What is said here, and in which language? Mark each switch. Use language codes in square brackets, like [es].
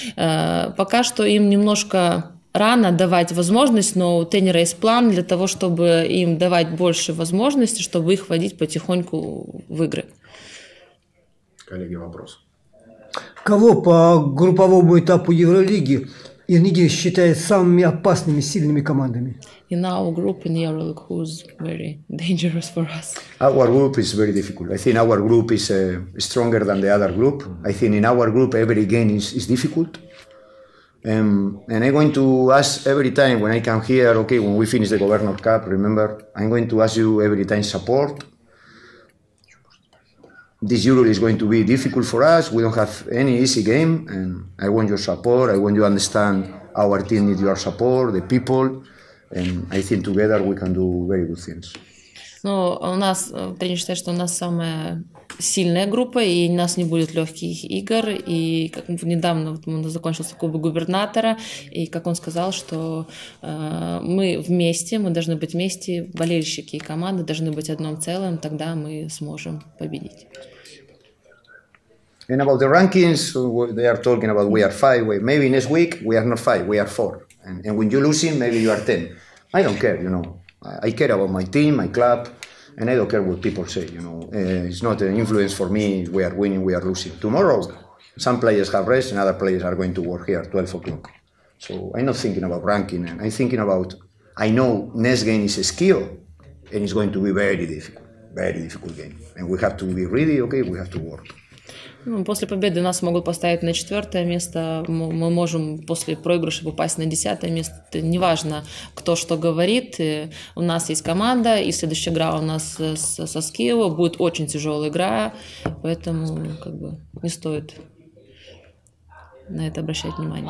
[ru] Пока что им немножко рано давать возможность, но у тренера есть план для того, чтобы им давать больше возможностей, чтобы их вводить потихоньку в игры. Коллеги, вопрос. Кого по групповому этапу Евролиги Ирниги считает самыми опасными, сильными командами? [en] In our group in Euroleague, who's very dangerous for us? Our group is very difficult. I think our group is stronger than the other group. I think in our group every game is difficult. And I'm going to ask every time when I come here, okay, when we finish the Governor Cup, remember, I'm going to ask you every time support. This Euro is going to be difficult for us. We don't have any easy game, and I want your support. I want you to understand our team needs your support, the people, and I think together we can do very good things. [ru] Ну, у нас, тренер считает, что у нас самая сильная группа, и у нас не будет легких игр. И как недавно вот, закончился Кубок губернатора, и как он сказал, что мы вместе, мы должны быть вместе, болельщики и команды должны быть одним целым, тогда мы сможем победить. [en] And about the rankings, they are talking about we are 5, maybe next week we are not 5, we are 4. And when you're losing, maybe you are 10. I don't care, you know. I care about my team, my club, and I don't care what people say, you know. It's not an influence for me. We are winning, we are losing. Tomorrow, some players have rest and other players are going to work here at 12 o'clock. So I'm not thinking about ranking. I'm thinking about, I know next game is a skill and it's going to be very difficult game. And we have to be ready, okay, we have to work. [ru] После победы нас могут поставить на четвертое место, мы можем после проигрыша попасть на десятое место, это неважно, кто что говорит, у нас есть команда, и следующая игра у нас со Скиева, будет очень тяжелая игра, поэтому как бы, не стоит на это обращать внимание.